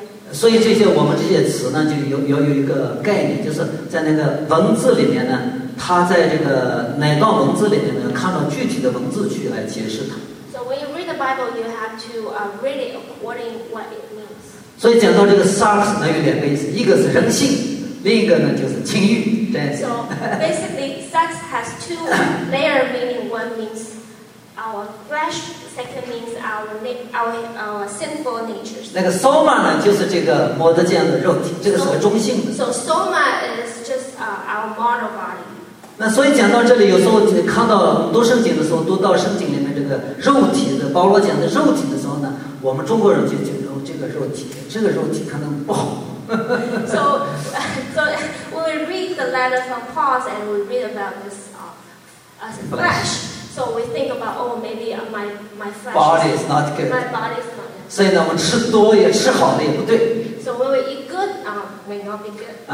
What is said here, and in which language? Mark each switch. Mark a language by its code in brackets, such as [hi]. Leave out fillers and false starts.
[zh] 所以这些我们这些词呢，就有一个概念，就是在那个文字里面呢，它在这个哪段文字里面呢，看到具体的文字去来解释它。 [en] So when you read the Bible, you have to read it according what it means. [zh] 所以讲到这个 sucks 呢，有两个意思，一个是人性，另一个呢就是情欲。 [en] So basically, sucks has two layer meaning. One means our flesh. Second means our sinful natures. [zh] 那个 soma 呢，就是这个摸得见的肉体，这个是个中性的。 [en] So soma is just our mortal body. [zh] 那所以讲到这里，有时候看到读圣经的时候，读到圣经里面这个肉体的保罗讲的肉体的时候呢，我们中国人就觉得这个肉体可能不好。 [en] So when we read the letter from Paul and we read about this flesh. So we think about, oh, maybe my flesh. Body is not good. My body is not good. [zh] 所以呢，我吃多也吃好的也不对。 [en] So when we eat good, may not be good.